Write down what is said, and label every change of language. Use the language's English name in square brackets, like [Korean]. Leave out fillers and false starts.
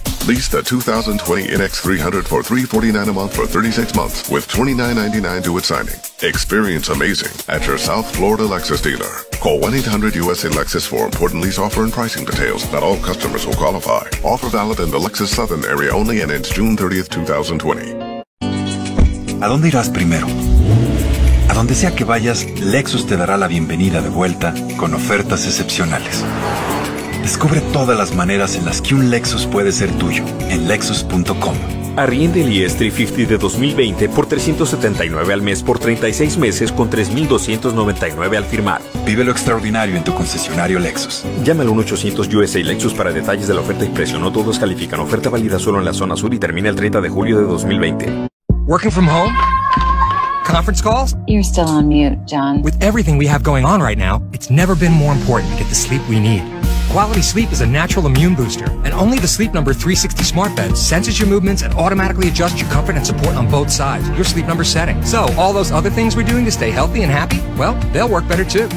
[English] Lease the 2020 NX300 for $349 a month for 36 months with $29.99 due at signing. Experience amazing at your South Florida Lexus dealer. Call 1-800-USA-LEXUS for important lease offer and pricing details. Not all customers will qualify. Offer valid in the Lexus Southern area only and ends June 30th, 2020. [Spanish] ¿A dónde irás primero? A donde sea que vayas, Lexus te dará la bienvenida de vuelta con ofertas excepcionales. Descubre todas las maneras en las que un Lexus puede ser tuyo en Lexus.com. Arriende el IS350 de 2020 por $379 al mes por 36 meses con $3,299 al firmar. Vive lo extraordinario en tu concesionario Lexus. Llama al 1-800-USA-LEXUS para detalles de la oferta y precio. No todos califican. Oferta válida solo en la zona sur y termina el 30 de julio de 2020. [English] Working from home? Conference calls? You're still on mute, John. With everything we have going on right now, it's never been more important to get the sleep we need. Quality Sleep is a natural immune booster, and only the Sleep Number 360 smart bed senses your movements and automatically adjusts your comfort and support on both sides, your Sleep Number setting. So, all those other things we're doing to stay healthy and happy, well, they'll work better too.